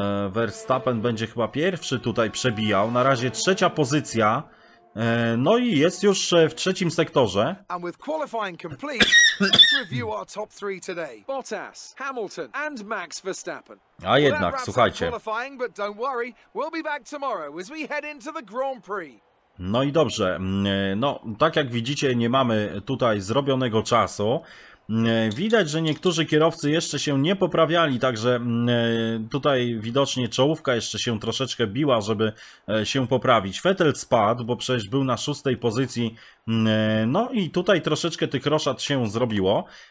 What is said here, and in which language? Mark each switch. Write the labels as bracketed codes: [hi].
[pl] Verstappen będzie chyba pierwszy tutaj przebijał. Na razie trzecia pozycja. No i jest już w trzecim sektorze. [en] And with qualifying complete, let's review our top three today. Bottas, Hamilton and Max Verstappen. [pl] A jednak, słuchajcie. [en] But don't worry, we'll be back tomorrow as we head into the Grand Prix. [pl] No i dobrze. No, tak jak widzicie, nie mamy tutaj zrobionego czasu. Widać, że niektórzy kierowcy jeszcze się nie poprawiali, także tutaj widocznie czołówka jeszcze się troszeczkę biła, żeby się poprawić. Vettel spadł, bo przecież był na szóstej pozycji, no i tutaj troszeczkę tych roszad się zrobiło.